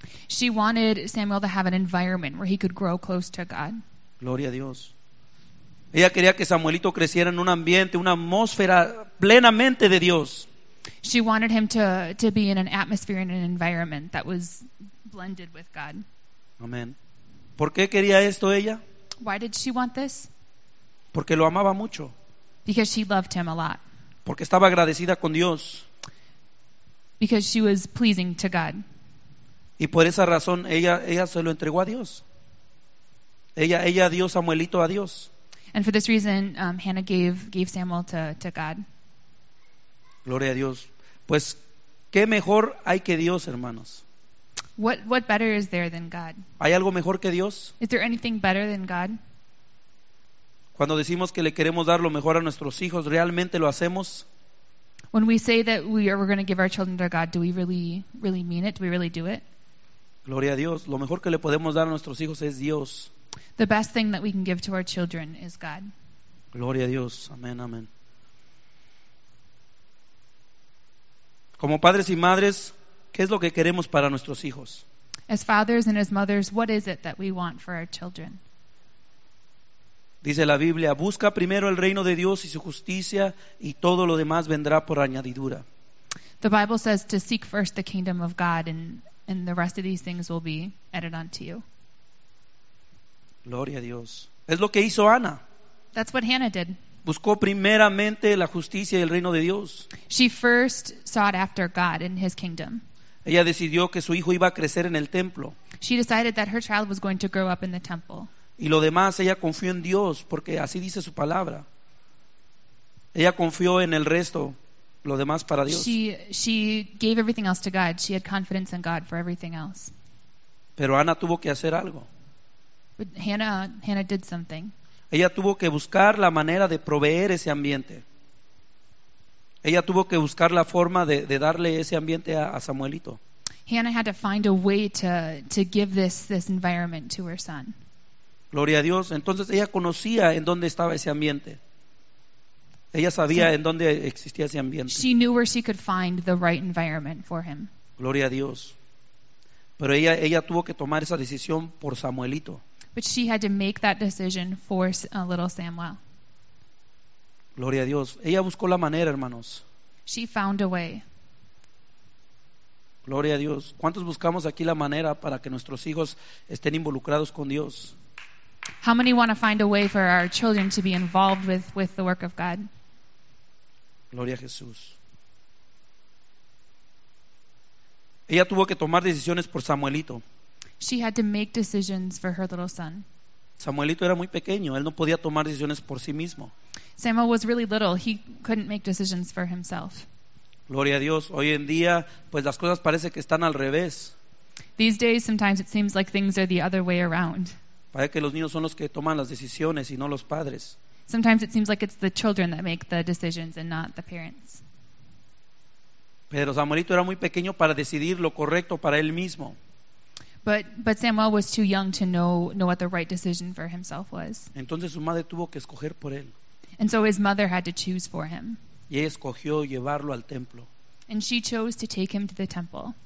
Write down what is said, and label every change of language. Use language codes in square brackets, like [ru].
[en] She wanted Samuel to have an environment where he could grow close to God. [es] Gloria a Dios. Ella quería que Samuelito creciera en un ambiente, una atmósfera plenamente de Dios. [en] She wanted him to be in an atmosphere and an environment that was blended with God. [es] Amén. ¿Por qué quería esto ella? [en] Why did she want this? [es] Porque lo amaba mucho. [en] Because she loved him a lot. [es] Porque estaba agradecida con Dios. [en] Because she was pleasing to God. [es] Y por esa razón ella se lo entregó a Dios. Ella dio Samuelito a Dios. [en] And for this reason, Hannah gave Samuel to God. [es] Gloria a Dios. Pues qué mejor hay que Dios, hermanos. [en] What better is there than God? [es] ¿Hay algo mejor que Dios? [en] Is there anything better than God? [es] Cuando decimos que le queremos dar lo mejor a nuestros hijos, ¿realmente lo hacemos? [en] When we say that we're going to give our children to God, do we really mean it? Do we really do it? [es] Gloria a Dios. Lo mejor que le podemos dar a nuestros hijos es Dios. [en] The best thing that we can give to our children is God. [es] Gloria a Dios. Amén, amén. Como padres y madres, ¿qué es lo que queremos para nuestros hijos? [en] As fathers and as mothers, what is it that we want for our children? [es] Dice la Biblia, busca primero el reino de Dios y su justicia y todo lo demás vendrá por añadidura. [en] The Bible says to seek first the kingdom of God and the rest of these things will be added unto you. [es] Gloria a Dios. Es lo que hizo Ana. [en] That's what Hannah did. [es] Buscó primeramente la justicia y el reino de Dios. [en] She first sought after God and his kingdom. [es] Ella decidió que su hijo iba a crecer en el templo. [en] She decided that her child was going to grow up in the temple. [es] Y lo demás, ella confió en Dios, porque así dice su palabra. Ella confió en el resto, lo demás para Dios. [en] She gave everything else to God. She had confidence in God for everything else. [es] Pero Ana tuvo que hacer algo. [en] But Hannah did something. [es] Ella tuvo que buscar la manera de proveer ese ambiente. Ella tuvo que buscar la forma de darle ese ambiente a Samuelito. [en] Hannah had to find a way to give this environment to her son. [es] Gloria a Dios. Entonces ella conocía en dónde estaba ese ambiente. Ella sabía en dónde existía ese ambiente. [en] She knew where she could find the right environment for him. [es] Gloria a Dios. Pero ella tuvo que tomar esa decisión por Samuelito. [en] But she had to make that decision for a little Samuel. [es] Gloria a Dios. Ella buscó la manera, hermanos. [en] She found a way. [es] Gloria a Dios. ¿Cuántos buscamos aquí la manera para que nuestros hijos estén involucrados con Dios? [en] How many want to find a way for our children to be involved with the work of God? [es] Gloria a Jesús. Ella tuvo que tomar decisiones por Samuelito. [en] She had to make decisions for her little son. [es] Samuelito era muy pequeño, él no podía tomar decisiones por sí mismo. [en] Samuel was really little, he couldn't make decisions for himself. [es] Gloria a Dios. Hoy en día, pues las cosas parece que están al revés. [en] These days, sometimes it seems like things are the other way around. [es] Parece que los niños son los que toman las decisiones y no los padres. [en] Sometimes it seems like it's the children that make the decisions and not the parents. [es] Pero Samuelito era muy pequeño para decidir lo correcto para él mismo. [en] But Samuel was too young to know what the right decision for himself was. [es] Entonces su madre tuvo que escoger por él. [en] And so his mother had to choose for him. [es] Y ella escogió llevarlo al templo. [en] And she chose to take him to the temple.